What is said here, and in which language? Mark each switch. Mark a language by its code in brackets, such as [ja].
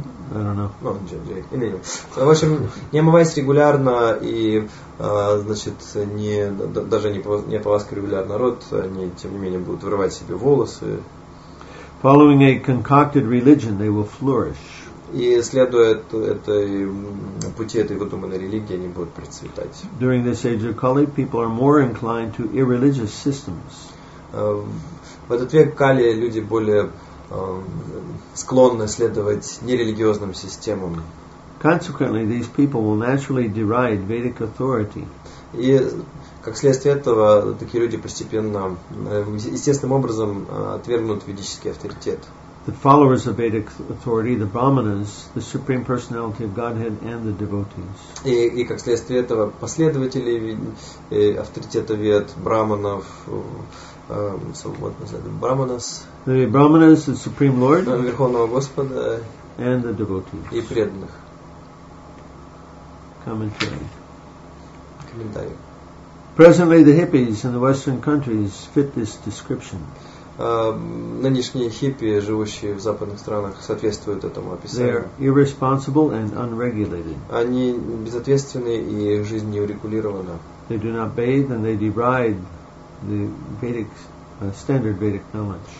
[ru] В общем, не омываясь регулярно и значит, даже не ополаскивая регулярно рот, они, тем не менее, будут вырывать себе волосы. [en] Following a concocted religion, they will flourish. [ru] И следуя этой пути этой выдуманной религии, они будут процветать. [en] During this age of Kali, people are more inclined to irreligious systems. [ru] В этот век Кали люди более склонны следовать нерелигиозным системам. [en] Consequently, these people will naturally deride Vedic authority. [ru] И как следствие этого, такие люди постепенно, естественным образом, отвергнут ведический авторитет. [en] The followers of Vedic authority, the brahmanas, the supreme personality of Godhead, and the devotees. [ru] И как следствие этого, последователи авторитета вед, браманов, Brahmanas, [en] the Brahmanas, the Supreme Lord, [ru] Верховного Господа, [en] and the devotees, [ru] и преданных. [en] Commentary. Presently, the hippies in the Western countries fit this description. [ru] Нынешние хиппи, живущие в западных странах, соответствуют этому описанию. [en] They are irresponsible and unregulated. [ru] Они безответственны и их жизнь не урегулирована. [en] They do not bathe and they deride the Vedic, standard Vedic knowledge.